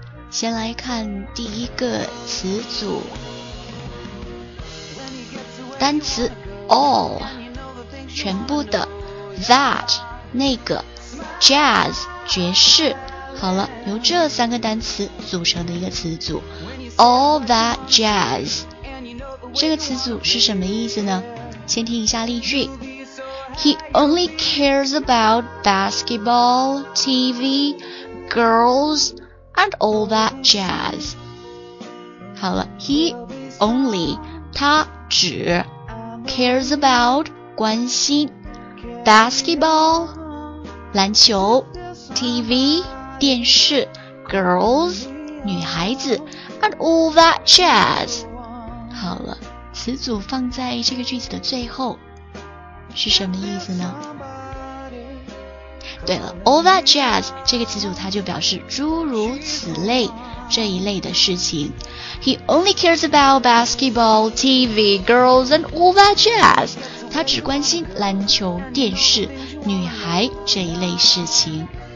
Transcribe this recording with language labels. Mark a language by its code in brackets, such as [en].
[zh] 先来看第一个词组，单词 all， 全部的 that， 那个 jazz， 爵士。好了，由这三个单词组成的一个词组 All that jazz， 这个词组是什么意思呢？先听一下例句。 [en] He only cares about basketball, TV, girls, and all that jazz。 [zh] 好了， He only 他只 cares about 关心 basketball 篮球 TV电视 girls 女孩子 and all that jazz。好了，词组放在这个句子的最后是什么意思呢？对了， all that jazz 这个词组它就表示诸如此类这一类的事情。 [en] He only cares about basketball, TV, girls and all that jazz， [zh] 他只关心篮球、电视、女孩这一类事情。